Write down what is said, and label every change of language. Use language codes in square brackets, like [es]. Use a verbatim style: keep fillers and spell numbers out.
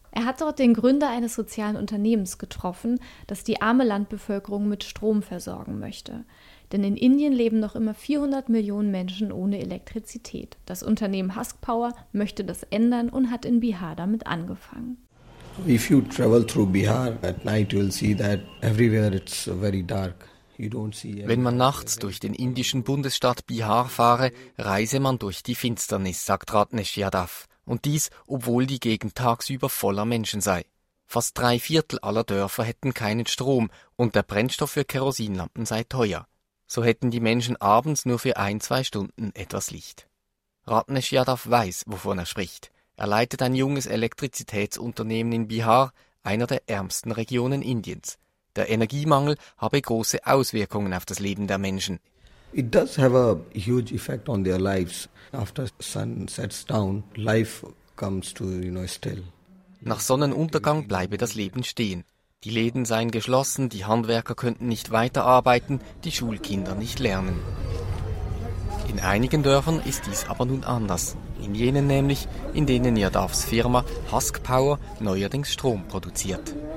[de] Er hat dort den Gründer eines sozialen Unternehmens getroffen, das die arme Landbevölkerung mit Strom versorgen möchte. Denn in Indien leben noch immer vierhundert Millionen Menschen ohne Elektrizität. Das Unternehmen Husk Power möchte das ändern und hat in Bihar damit angefangen. [en] If you travel through Bihar at night, you'll see that everywhere it's very dark. [de] Wenn man nachts durch den indischen Bundesstaat Bihar fahre, reise man durch die Finsternis, sagt Ratnesh Yadav. Und dies, obwohl die Gegend tagsüber voller Menschen sei. Fast drei Viertel aller Dörfer hätten keinen Strom und der Brennstoff für Kerosinlampen sei teuer. So hätten die Menschen abends nur für ein, zwei Stunden etwas Licht. Ratnesh Yadav weiß, wovon er spricht. Er leitet ein junges Elektrizitätsunternehmen in Bihar, einer der ärmsten Regionen Indiens. Der Energiemangel habe große Auswirkungen auf das Leben der Menschen. [en] It does have a huge effect on their lives. After sun sets down, life comes to, you know, still. [de] Nach Sonnenuntergang bleibe das Leben stehen. Die Läden seien geschlossen, die Handwerker könnten nicht weiterarbeiten, die Schulkinder nicht lernen. In einigen Dörfern ist dies aber nun anders. In jenen nämlich, in denen Yadavs Firma Husk Power neuerdings Strom produziert.